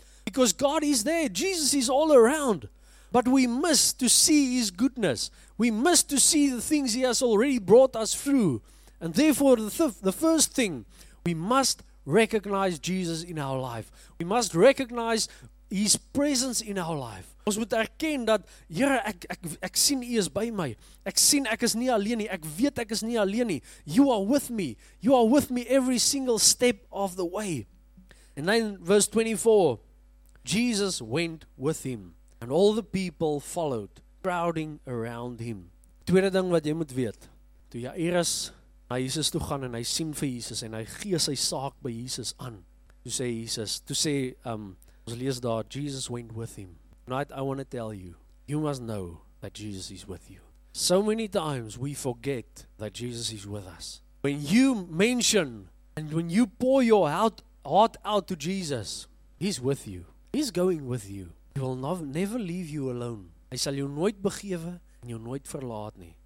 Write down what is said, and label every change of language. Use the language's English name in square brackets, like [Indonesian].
[English] Because God is there. Jesus is all around. But we must to see his goodness. We must to see the things he has already brought us through. And therefore, the first thing, we must recognize Jesus in our life. We must recognize his presence in our life. [Afrikaans] Ons moet erken dat, Here, ek sien u is by my. Ek sien ek is nie alleen nie. Ek weet ek is nie alleen nie. [English] You are with me. You are with me every single step of the way. And then verse 24, Jesus went with him. And all the people followed, crowding around him. [Afrikaans] Tweede ding wat jy moet weet, toe Jairus na Jesus toe gaan en hy sien vir Jesus en hy gee sy saak by Jesus aan. Ons lees daar, [English] Jesus went with him. Tonight I want to tell you, you must know that Jesus is with you. So many times we forget that Jesus is with us. When you mention and when you pour your heart out to Jesus, he's with you. He's going with you. He will never leave you alone. [Afrikaans] Hy sal jou nooit begewe en jou nooit verlaat nie.